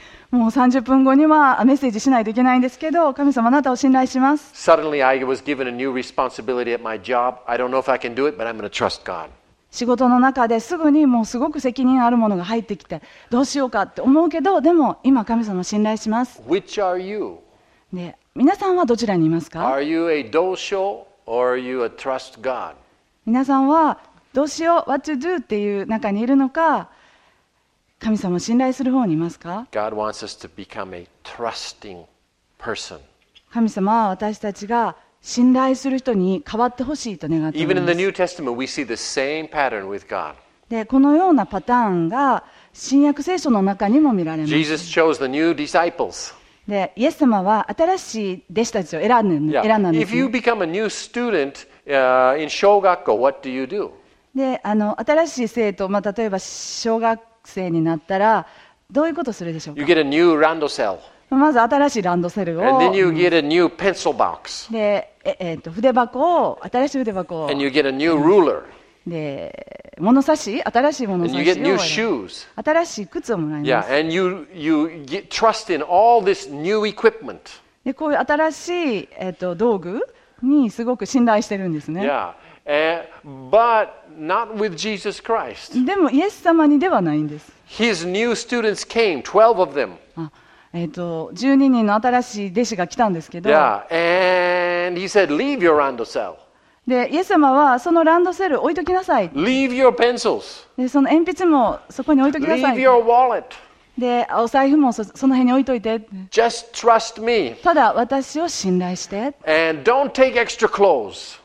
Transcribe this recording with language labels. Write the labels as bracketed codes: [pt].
[ja] もう30分後にはメッセージしないといけないんですけど、神様あなたを信頼します。 [en] Suddenly, I was given a new responsibility at my job. I don't know if I can do it, but I'm going to trust God. [ja] 仕事の中ですぐにもうすごく責任あるものが入ってきて、どうしようかって思うけど、でも今神様を信頼します。 [en] Which are you? [ja] で、皆さんはどちらにいますか？ [en] Are you a [ja] どうしよう [en] or are you a trust God? [ja] 皆さんはどうしよう、 [en] What to do [ja] っていう中にいるのか、神様を信頼する方にいますか？ [en] God wants us to become a trusting person. [ja] 神様は私たちが信頼する人に変わってほしいと願っています。 [en] Even in the New Testament, we see the same pattern with God. [ja] で、このようなパターンが新約聖書の中にも見られます。 [en] Jesus chose the new disciples. [ja] で、イエス様は新しい弟子たちを選んだんです。 [en] Yeah. If you become a new student, in 小学校, what do you do? [ja] で、新しい生徒、まあ、例えば小学生になったらどういうことをするでしょうか？ [en] You get a new randucell. [ja] まず新しいランドセルを。 [en] And then you get a new pencil box. [ja] で、筆箱を、新しい筆箱を。 [en] And you get a new ruler. [ja] で、物差し、新しい物差しを、 [en] and you get new shoes. [ja] 新しい靴をもらいます。 [en] Yeah, and you get trust in all this new equipment. [ja] で、こういう新しい、道具にすごく信頼してるんですね。 [en] Yeah. But not with Jesus Christ. [ja] でもイエス様にではないんです。 [en] His new students came, 12 of them. [ja] 12人の新しい弟子が来たんですけど。 [en] Yeah. And he said, leave your randucell. [ja] で、イエス様はそのランドセル置いときなさい。 [en] Leave your pencils. [ja] で、その鉛筆もそこに置いときなさい。 [en] Leave your wallet. [ja] で、お財布も その辺に置いといて。 [en] Just trust me. [ja] ただ私を信頼して。 [en] And don't take extra clothes.